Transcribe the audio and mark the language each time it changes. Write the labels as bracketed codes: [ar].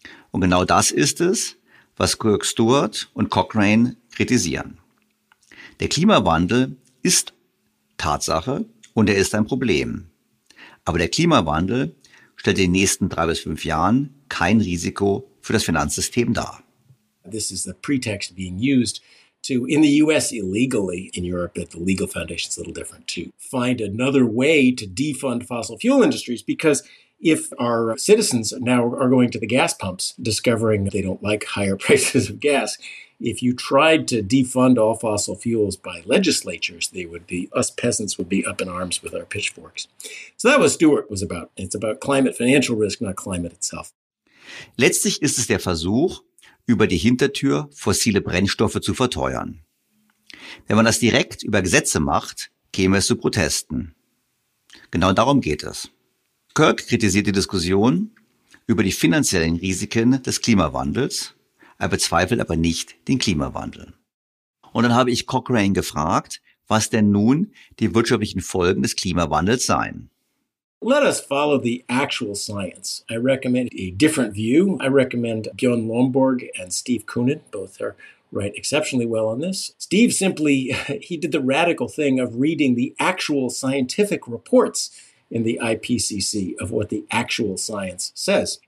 [de] Und genau das ist es, was Kirk Stewart und Cochrane kritisieren. Der Klimawandel ist Tatsache und er ist ein Problem. Aber der Klimawandel stellt in den nächsten 3 bis 5 Jahren kein Risiko für das Finanzsystem dar. [en] This is the pretext being used to, in the US illegally, in Europe at the legal foundation's a little different, to find another way to defund fossil fuel industries, because if our citizens now are going to the gas pumps, discovering they don't like higher prices of gas, if you tried to defund all fossil fuels by legislatures, they would be, us peasants would be up in arms with our pitchforks. So that was Stuart was about. It's about climate financial risk, not climate itself. [de] Letztlich ist es der Versuch, über die Hintertür fossile Brennstoffe zu verteuern. Wenn man das direkt über Gesetze macht, käme es zu Protesten. Genau darum geht es. Kirk kritisiert die Diskussion über die finanziellen Risiken des Klimawandels. Er bezweifelt aber nicht den Klimawandel. Und dann habe ich Cochrane gefragt, was denn nun die wirtschaftlichen Folgen des Klimawandels seien. [en] Let us follow the actual science. I recommend a different view. I recommend Björn Lomborg and Steve Koonin. Both are right exceptionally well on this. Steve simply, he did the radical thing of reading the actual scientific reports in the IPCC of what the actual science says.